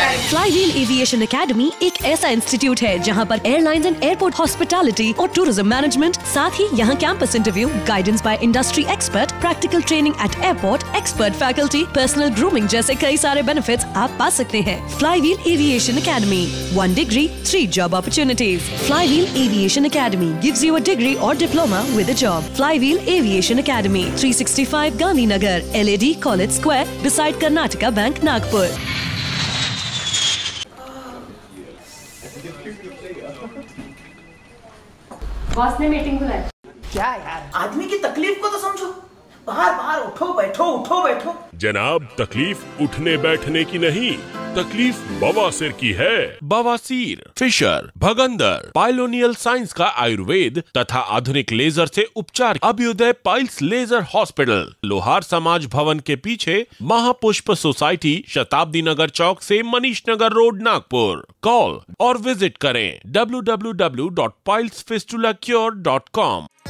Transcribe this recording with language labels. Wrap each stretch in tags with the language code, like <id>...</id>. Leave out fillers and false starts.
<hi>Flywheel Aviation Academy एक ऐसा institute है जहां पर एयरलाइंस एंड एयरपोर्ट हॉस्पिटैलिटी और टूरिज्म मैनेजमेंट, साथ ही यहां campus interview, guidance by industry expert, practical training at airport, expert faculty, personal grooming जैसे कई सारे बेनिफिट्स आप पा सकते हैं.</hi> <en>Flywheel Aviation Academy, 1 degree 3 job opportunities. Flywheel Aviation Academy gives you a degree or diploma with a job. Flywheel Aviation Academy, 365 Gandhinagar, LAD College Square, beside Karnataka bank Nagpur.</en> <hi>Boss ने meeting बुलाई. क्या यार, आदमी की तकलीफ को तो समझो, बार बार उठो बैठो उठो बैठो. जनाब, तकलीफ उठने बैठने की नहीं, तकलीफ बवासीर की है. बवासीर, फिशर, भगंदर, पाइलोनियल साइंस का आयुर्वेद तथा आधुनिक लेजर से उपचार अभ्युदय पाइल्स लेजर हॉस्पिटल, लोहार समाज भवन के पीछे, महापुष्प सोसाइटी, शताब्दी नगर चौक से मनीष नगर रोड, नागपुर. कॉल और विजिट करें www.pilesfistulacure.com.</hi>